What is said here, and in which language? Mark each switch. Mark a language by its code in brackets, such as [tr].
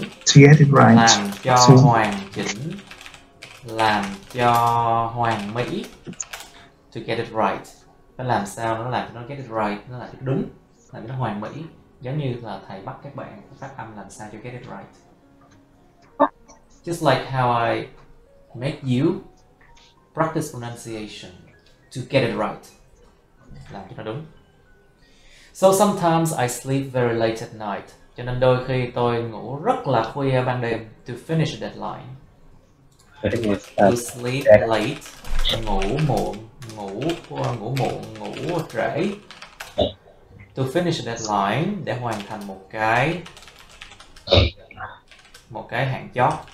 [en] To get it right. [vi] Làm cho to... hoàn chỉnh. Làm cho hoàn mỹ. [en] To get it right. [vi] Nó làm sao nó làm cho nó [en] get it right, [vi] nó làm cho đúng, làm cho nó hoàn mỹ. Giống như là thầy bắt các bạn phát âm làm sao cho [en] get it right. Just like how I make you practice pronunciation to get it right. [vi] Làm cho nó đúng. [en] So sometimes I sleep very late at night. [vi] Cho nên đôi khi tôi ngủ rất là khuya ban đêm [en] to finish a deadline. To sleep late, [vi] ngủ muộn, ngủ trễ. [en] To finish a deadline, [vi] để hoàn thành một cái hạn chót.